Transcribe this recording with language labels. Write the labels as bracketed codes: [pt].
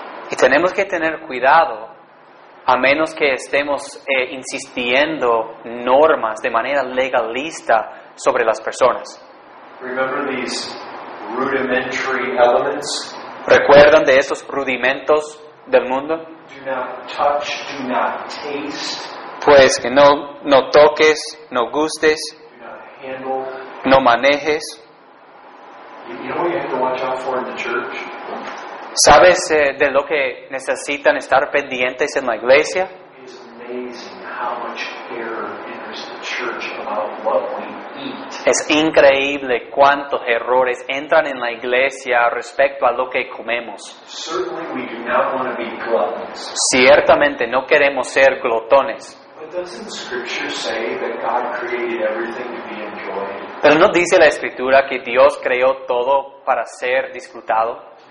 [es] Y tenemos que tener cuidado a menos que estemos insistiendo normas de manera legalista sobre las personas. [en] Remember these rudimentary elements? [es] ¿Recuerdan de esos rudimentos del mundo? [en] Do not touch, do not taste. [es] Pues que no toques, no gustes, [en] do not handle. [es] No manejes. [en] You know what you have to watch out for in the church? [es] ¿Sabes de lo que necesitan estar pendientes en la iglesia? [en] It's amazing how much error enters the church about what we eat. [es] Es increíble cuántos errores entran en la iglesia respecto a lo que comemos. [en] Certainly we do not want to be gluttons. [es] Ciertamente no queremos ser glotones. [en] But doesn't Scripture say that God created everything to be enjoyed? [es] ¿Pero no dice la Escritura que Dios creó todo para ser disfrutado?